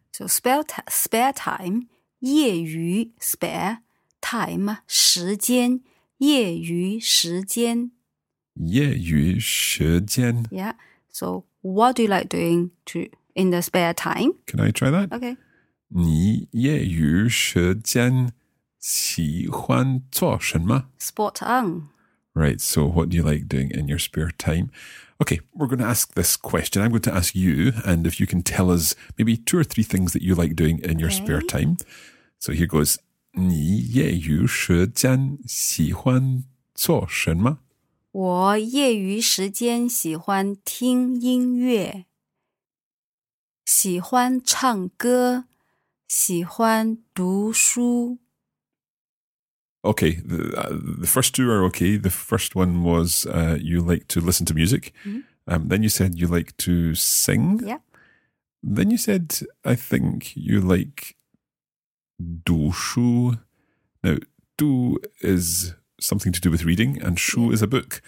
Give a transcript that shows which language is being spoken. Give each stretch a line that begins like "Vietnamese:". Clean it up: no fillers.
English: So spare time, 业余, spare,
Chinese: time, 时间,业余时间。业余时间。
English: Yeah, so what do you like doing to, in the spare time? Can I try that? Okay.
Chinese: 你业余时间喜欢做什么?
English: Spot on. Right, so what do you like doing in your spare time? Okay, we're going to ask this question. I'm going to ask you, and if you can tell us maybe two or three things that you like doing in your spare time. So here goes,
Chinese: 你业余时间喜欢做什么? 我业余时间喜欢听音乐,喜欢唱歌,喜欢读书。
English: Okay, the first two are okay. The first one was you like to listen to music. Mm-hmm. Then you said you like to sing. Yeah. Then you said, I think, you like 读书. Now, 读 is something to do with reading and 书 is a book.